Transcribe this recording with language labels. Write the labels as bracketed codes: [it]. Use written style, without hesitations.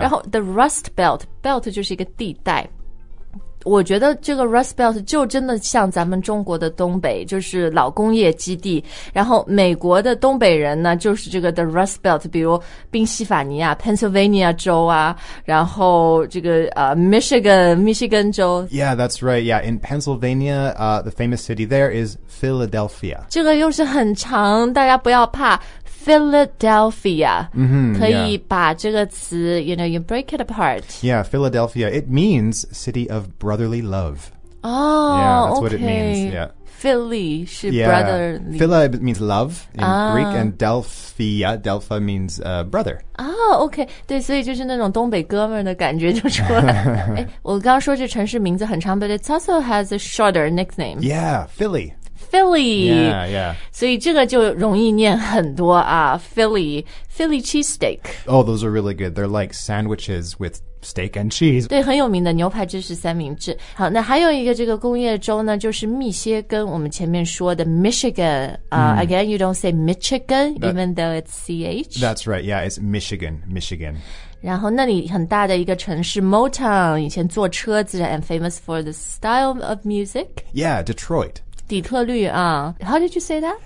[zh] 然后 the Rust Belt, belt 就是一个地带。我觉得这个 Rust Belt 就真的像咱们中国的东北，就是老工业基地。然后美国的东北人呢，就是这个 the Rust Belt， 比如宾夕法尼亚 Pennsylvania 州啊，然后这个Michigan 州。 [en] Yeah, that's right. Yeah, in Pennsylvania, the famous city there is Philadelphia. [zh] 这个又是很长，大家不要怕。 [en] Philadelphia, mm-hmm, [zh] 可以把这个词 [en] you know, you break it apart. Yeah, Philadelphia, it means city of brotherly love. Oh, yeah, that's okay. What it means, yeah. Philly 是 brotherly. Philly means love in Greek, and Delphia means brother. Oh, okay. [zh] 对，所以就是那种东北哥们的感觉就出来了。我刚刚说这城市名字很长 [en] but it also has a shorter nickname. Yeah, Philly. Philly. Yeah. [zh] 所以这个就容易念很多啊 Philly cheesesteak. [en] Oh, those are really good. They're like sandwiches with steak and cheese. [zh] 对，很有名的牛排芝士三明治。好，那还有一个这个工业州呢，就是密歇根。我们前面说的 Michigan. [en] Again, you don't say Michigan, even though it's CH. That's right. Yeah, it's Michigan. [zh] 然后那里很大的一个城市 Motown, 以前坐车子 [en] and famous for the style of music. Yeah, Detroit. 底特律啊 How did you say that?